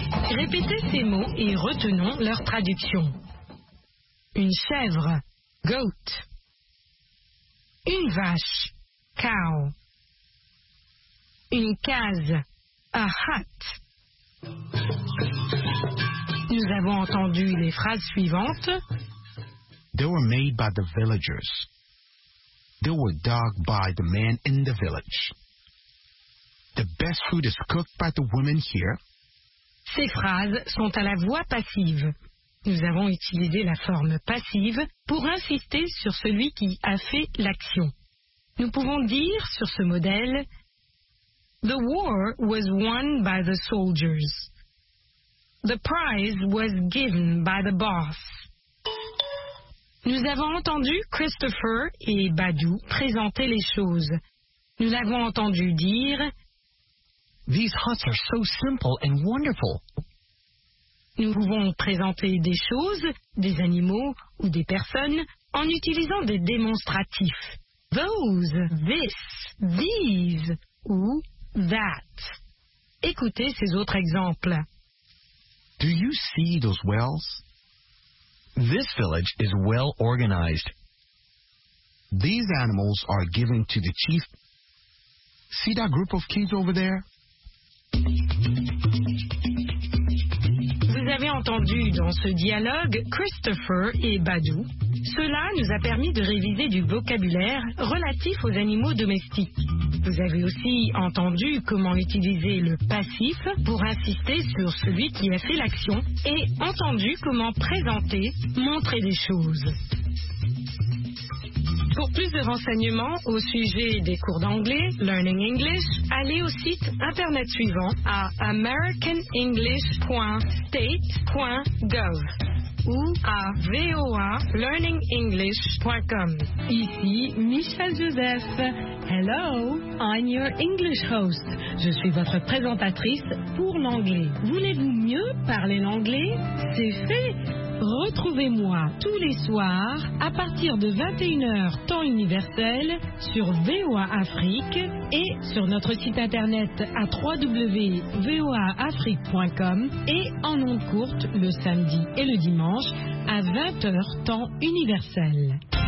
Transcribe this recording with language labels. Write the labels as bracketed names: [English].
[French] Répétez ces mots et retenons leur traduction. Une chèvre, goat. Une vache, cow. Une case, a hut. Nous avons entendu les phrases suivantes. [English] They were made by the villagers. They were dug by the men in the village. The best food is cooked by the women here. [French] Ces phrases sont à la voix passive. Nous avons utilisé la forme passive pour insister sur celui qui a fait l'action. Nous pouvons dire sur ce modèle, [English] The war was won by the soldiers. The prize was given by the boss. [French] Nous avons entendu Christopher et Badou présenter les choses. Nous l'avons entendu dire, [English] These huts are so simple and wonderful. [French] Nous pouvons présenter des choses, des animaux ou des personnes en utilisant des démonstratifs. [English] Those, this, these ou that. [French] Écoutez ces autres exemples. [English] Do you see those wells? This village is well organized. These animals are given to the chief. See that group of kids over there? [French] Vous avez entendu dans ce dialogue Christopher et Badou. Cela nous a permis de réviser du vocabulaire relatif aux animaux domestiques. Vous avez aussi entendu comment utiliser le passif pour insister sur celui qui a fait l'action et entendu comment présenter, montrer des choses. Pour plus de renseignements au sujet des cours d'anglais, Learning English, allez au site internet suivant à americanenglish.state.gov ou à voalearningenglish.com. Ici Michel Joseph. [English] Hello, I'm your English host. [French] Je suis votre présentatrice pour l'anglais. Voulez-vous mieux parler l'anglais? C'est fait! Retrouvez-moi tous les soirs à partir de 21h temps universel sur VOA Afrique et sur notre site internet à www.voaafrique.com et en ondes courtes le samedi et le dimanche à 20h temps universel.